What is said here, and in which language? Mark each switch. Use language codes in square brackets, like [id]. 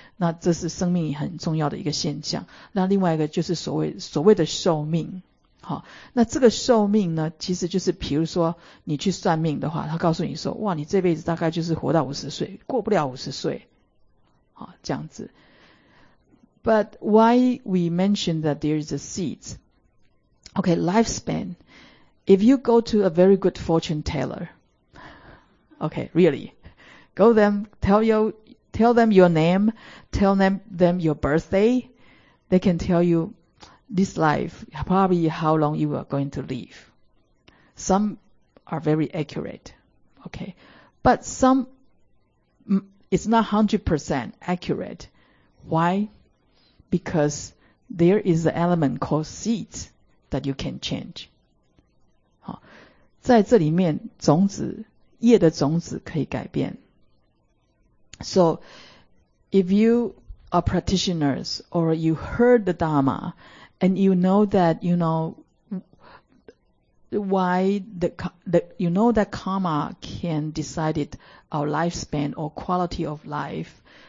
[zh] 那这是生命很重要的一个现象。那另外一个就是所谓的寿命。好，那这个寿命呢，其实就是比如说你去算命的话，他告诉你说，哇，你这辈子大概就是活到50岁，过不了50岁，好，这样子。 [en] But why we mention that there is a seed? Okay, lifespan. If you go to a very good fortune teller, okay, really, go them, tell them your name, tell them your birthday, they can tell youthis life, probably how long you are going to live. Some are very accurate, okay. But some, it's not 100% accurate. Why? Because there is an element called seeds that you can change. [zh] 好，在这里面，种子，叶的种子可以改变。 [en] So, if you are practitioners or you heard the Dharma,And you know that, you know, why the, you know that karma can decide our lifespan or quality of life.